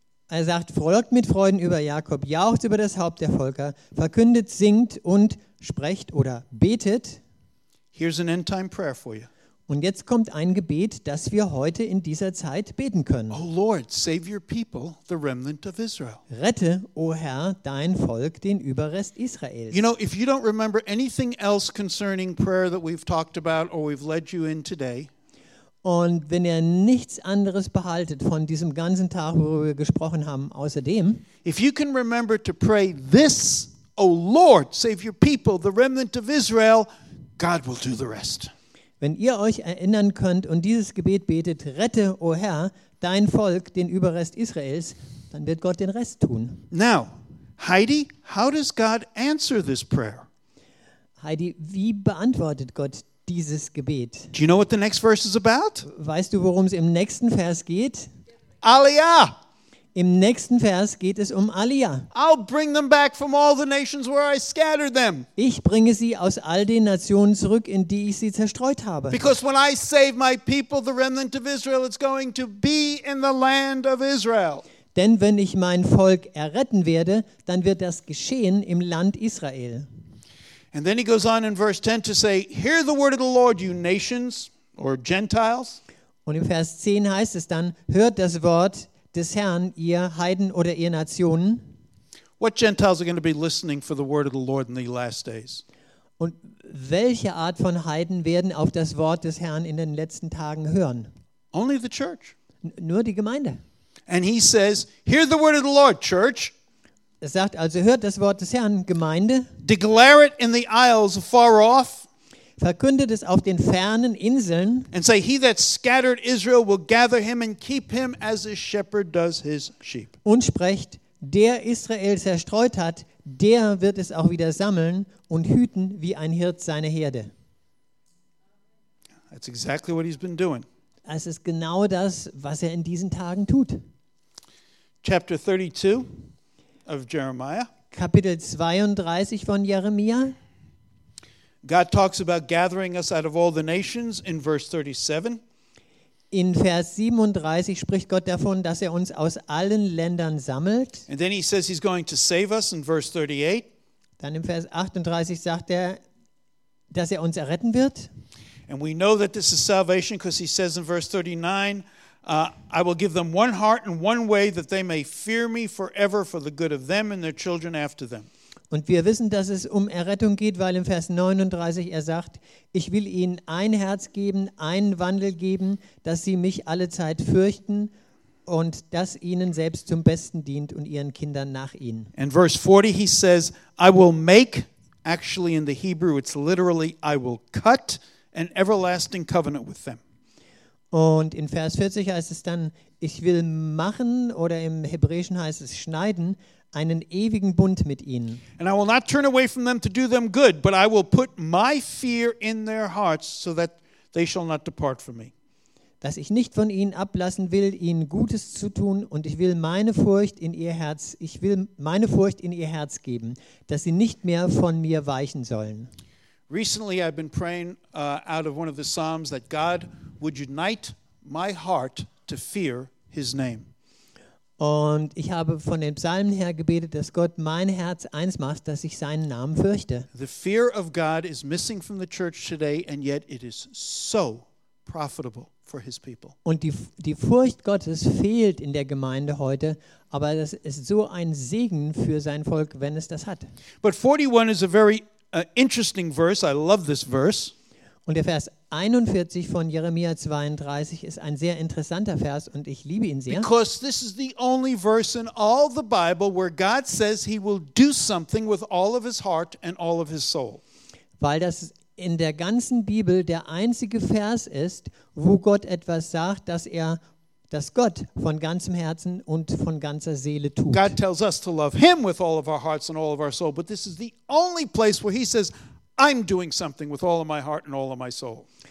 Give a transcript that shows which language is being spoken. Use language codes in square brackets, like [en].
[de] Er sagt, folgt mit Freuden über Jakob, jaucht über das Haupt der Völker, verkündet, singt und sprecht oder betet. [en] Here's an end time prayer for you. [de] Und jetzt kommt ein Gebet, das wir heute in dieser Zeit beten können. [en] Oh Lord, save your people, the remnant of Israel. [de] Rette, o Herr, dein Volk, den Überrest Israels. [en] You know, if you don't remember anything else concerning prayer that we've talked about or we've led you in today, [de] und wenn ihr nichts anderes behaltet von diesem ganzen Tag, worüber wir gesprochen haben, außerdem, [en] if you can remember to pray this, O Lord, save your people, the remnant of Israel, God will do the rest. [de] Wenn ihr euch erinnern könnt und dieses Gebet betet, rette, O Herr, dein Volk, den Überrest Israels, dann wird Gott den Rest tun. [en] Now, Heidi, how does God answer this prayer? [de] Heidi, wie beantwortet Gott dieses Gebet? [en] Do you know what the next verse is about? [de] Weißt du, worum es im nächsten Vers geht? [en] Aliyah. [de] Im nächsten Vers geht es um Aliyah. [en] I'll bring them back from all the nations where I scattered them. [de] Ich bringe sie aus all den Nationen zurück, in die ich sie zerstreut habe. [en] Because when I save my people, the remnant of Israel, it's going to be in the land of Israel. [de] Denn wenn ich mein Volk erretten werde, dann wird das geschehen im Land Israel. [en] And then he goes on in verse 10 to say, hear the word of the Lord, you nations, or Gentiles. [de] Und im Vers 10 heißt es dann, hört das Wort des Herrn, ihr Heiden oder ihr Nationen. [en] What Gentiles are going to be listening for the word of the Lord in the last days? [de] Und welche Art von Heiden werden auf das Wort des Herrn in den letzten Tagen hören? [en] Only the church. [de] Nur die Gemeinde. [en] And he says, hear the word of the Lord, church. [de] Es sagt also, hört das Wort des Herrn, Gemeinde. [en] Declare it in the isles afar off. [de] Verkündet es auf den fernen Inseln. [en] And say, he that scattered Israel will gather him and keep him as a shepherd does his sheep. [de] Und sprecht, der Israel zerstreut hat, der wird es auch wieder sammeln und hüten wie ein Hirt seine Herde. [en] That's exactly what he's been doing. [de] Es ist genau das, was er in diesen Tagen tut. [en] Chapter 32. Of Jeremiah. [de] Kapitel 32 von Jeremia. [en] God talks about gathering us out of all the nations in verse 37. [de] In Vers 37 spricht Gott davon, dass er uns aus allen Ländern sammelt. [en] And then he says he's going to save us in verse 38. [de] Dann im Vers 38 sagt er, dass er uns erretten wird. [en] And we know that this is salvation because he says in verse 39, I will give them one heart and one way that they may fear me forever for the good of them and their children after them. [de] Und wir wissen, dass es um Errettung geht, weil im Vers 39 er sagt, ich will ihnen ein Herz geben, einen Wandel geben, dass sie mich alle Zeit fürchten und das ihnen selbst zum Besten dient und ihren Kindern nach ihnen. [en] In verse 40 he says, I will make, actually in the Hebrew it's literally, I will cut an everlasting covenant with them. [de] Und in Vers 40 heißt es dann, ich will machen, oder im Hebräischen heißt es schneiden, einen ewigen Bund mit ihnen. [en] And I will not turn away from them to do them good, but I will put my fear in their hearts so that they shall not depart from me. [de] Dass ich nicht von ihnen ablassen will, ihnen Gutes zu tun, und ich will meine Furcht in ihr Herz, ich will meine Furcht in ihr Herz geben, dass sie nicht mehr von mir weichen sollen. [en] Recently I've been praying out of one of the Psalms that God would unite my heart to fear his name. [de] Und ich habe von den Psalmen her gebetet, dass Gott mein Herz eins macht, dass ich seinen Namen fürchte. [en] The fear of God is missing from the church today, and yet it is so profitable for his people. [de] Und die Furcht Gottes fehlt in der Gemeinde heute, aber das ist so ein Segen für sein Volk, wenn es das hat. [en] But 41 is a very interesting verse. I love this verse. [de] Und der Vers 41 von Jeremia 32 ist ein sehr interessanter Vers und ich liebe ihn sehr. [en] Because this is the only verse in all the Bible where God says he will do something with all of his heart and all of his soul. [de] Weil das in der ganzen Bibel der einzige Vers ist, wo Gott etwas sagt, dass Gott von ganzem Herzen und von ganzer Seele tut. [en] God tells us to love him with all of our hearts and all of our soul, but this is the only place where he says I'm doing something with all of my heart and all of my soul.